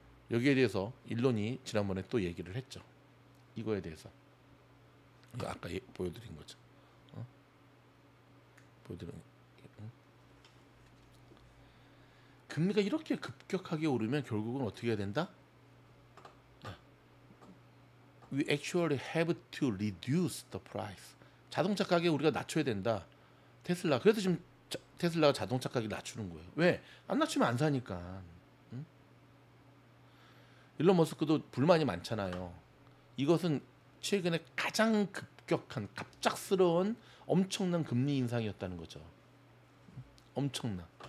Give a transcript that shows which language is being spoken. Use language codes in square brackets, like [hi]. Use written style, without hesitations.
[ko] 여기에 대해서 일론이 지난번에 또 얘기를 했죠. 이거에 대해서. 이거 아까 보여드린 거죠. 금리가 이렇게 급격하게 오르면 결국은 어떻게 해야 된다? [en] We actually have to reduce the price. [ko] 자동차 가격 우리가 낮춰야 된다. 테슬라. 그래서 지금 테슬라가 자동차 가격 낮추는 거예요. 왜? 안 낮추면 안 사니까. 응? 일론 머스크도 불만이 많잖아요. 이것은 최근에 가장 급격한 갑작스러운 엄청난 금리 인상이었다는 거죠. 엄청난.